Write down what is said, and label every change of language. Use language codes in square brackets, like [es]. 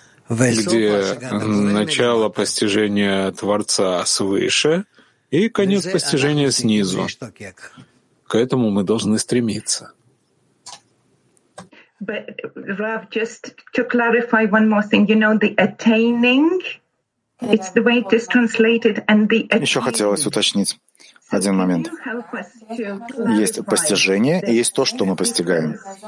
[ru] Где начало постижения Творца свыше и конец постижения снизу. К этому мы должны стремиться. [en] But, Rav, just to clarify one more thing, you know, the attaining, it's the way it is translated, and the attaining. [ru] Еще хотелось уточнить один момент. Есть постижение и есть то, что мы постигаем.